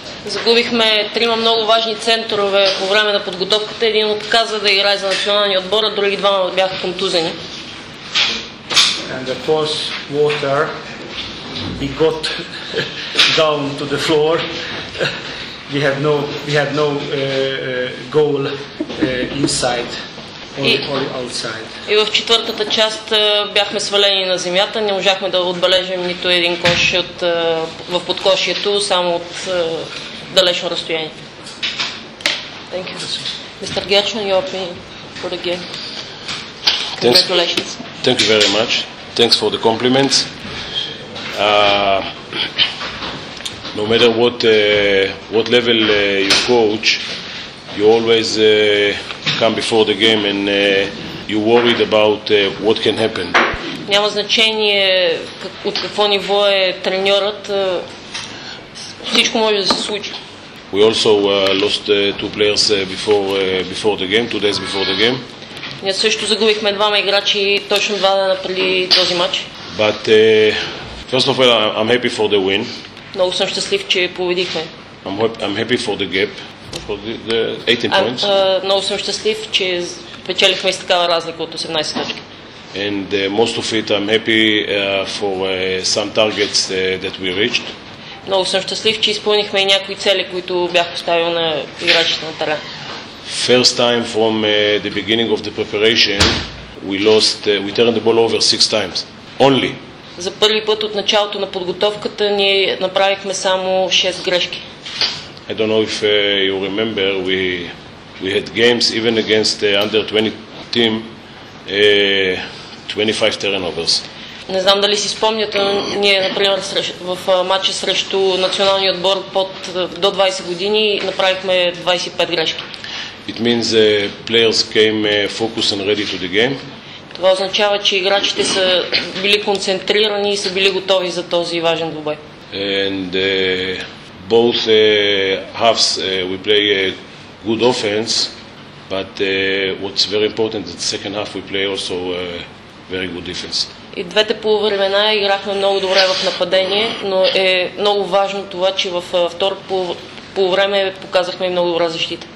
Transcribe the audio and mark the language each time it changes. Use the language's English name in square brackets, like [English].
[Bulgarian] Загубихме трима много важни центрове по време на подготовката. Един отказа да играе за националния отбор, а други двама бяха контузени. [English] And the fourth water, he got down to the floor. We had no goal inside or outside. [Bulgarian] И в четвъртата част бяхме свалени на земята, не можахме да отбележим нито един кош от в подкошието, само от далечно разстояние. [English] Thank you. Mr. Gershon, your opinion for the game. Congratulations. Thank you very much. Thanks for the compliments. No matter what level you coach, you always come before the game and you worried about what can happen. [Bulgarian] Няма значение от какво ниво е треньорът, всичко може да се случи. [English] We also lost two players before the game, 2 days before the game. [Bulgarian] Ние също загубихме двама играчи точно 2 дена преди този матч. [English] But first of all, I'm happy for the win. [Bulgarian] Много съм щастлив, че победихме. [English] I'm happy for the gap, for the 18 points. [Bulgarian] Много съм щастлив, че печелихме с такава разлика от 18 точки. [English] And most of it I'm happy for some targets that we reached. [Bulgarian] Много съм щастлив, че изпълнихме и някои цели, които бях поставил на играчите на терен. [English] First time from the beginning of the preparation, we turned the ball over 6 times. Only. [Bulgarian] За първи път от началото на подготовката ние направихме само 6 грешки. [English] I don't know if you remember, we had games even against the under 20 team, 25 turnovers. [Bulgarian] Не знам дали си спомняте, но ние, например, в матча срещу националния отбор до 20 години направихме 25 грешки. [English] It means players came focused and ready to the game. [Bulgarian] Това означава, че играчите са били концентрирани и са били готови за този важен двубой. [English] And both halves we play a good offense, but what's very important is the second half we play also very good defense. [Bulgarian] И двете полувремена играхме много добре в нападение, но е много важно това, че във второ полувреме показахме много добра защита.